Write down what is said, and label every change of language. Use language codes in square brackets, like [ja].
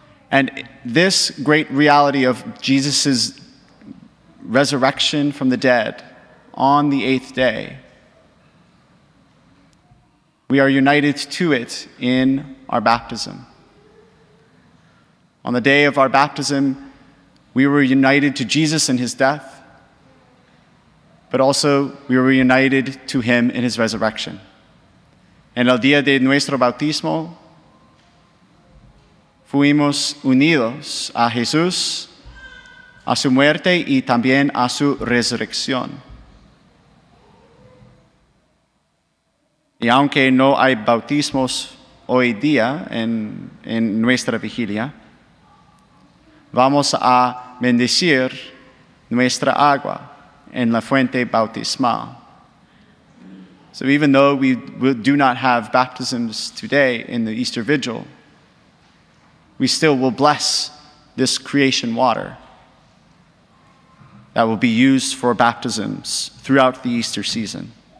[en] And this great reality of Jesus' resurrection from the dead on the eighth day, we are united to it in our baptism. On the day of our baptism, we were united to Jesus in his death, but also we were united to him in his resurrection. [es] En el día de nuestro bautismo, fuimos unidos a Jesús, a su muerte y también a su resurrección. Y aunque no hay bautismos hoy día en nuestra vigilia, vamos a bendecir nuestra agua en la fuente bautismal. [en] So even though we do not have baptisms today in the Easter Vigil, we still will bless this creation water that will be used for baptisms throughout the Easter season.